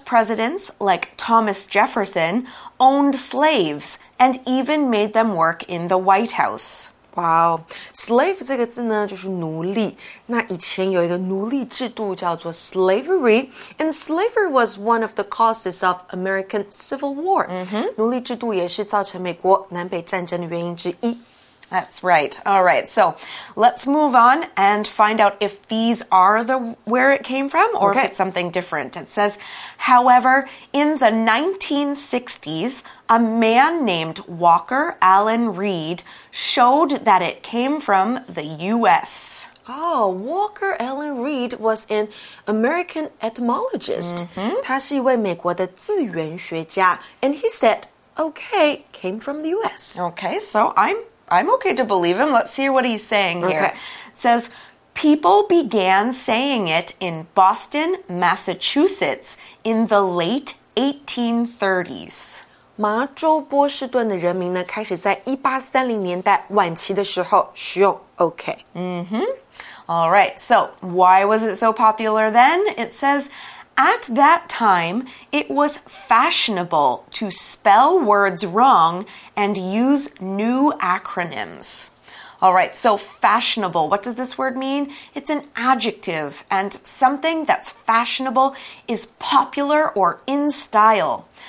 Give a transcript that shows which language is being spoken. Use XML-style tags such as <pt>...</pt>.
<en>presidents, like Thomas Jefferson, owned slaves and even made them work in the White House.</en> <zh>Wow, slave 这个字呢就是奴隶。那以前有一个奴隶制度叫做</zh> <en>slavery, and slavery was one of the causes of American Civil War.、 Mm-hmm.</en> <zh>奴隶制度也是造成美国南北战争的原因之一。</zh> <en>That's right. All right, so let's move on and find out if these are the where it came from or、 okay. if it's something different. It says, however, in the 1960s, a man named Walker Allen Reed showed that it came from the U.S. Oh, Walker Allen Reed was an American entomologist.</en> <zh>他是一位美国的自然学家</zh> <en>And he said, okay, came from the U.S. Okay, so I'm okay to believe him. Let's see what he's saying here. It says, people began saying it in Boston, Massachusetts in the late 1830s.</en> <zh>麻州波士顿的人民呢开始在1830年代晚期的时候使用 OK.</zh> <en>Mm-hmm. All right. So why was it so popular then? It says... At that time, it was fashionable to spell words wrong and use new acronyms. All right, so fashionable, what does this word mean? It's an adjective, and something that's fashionable is popular or in style.</en>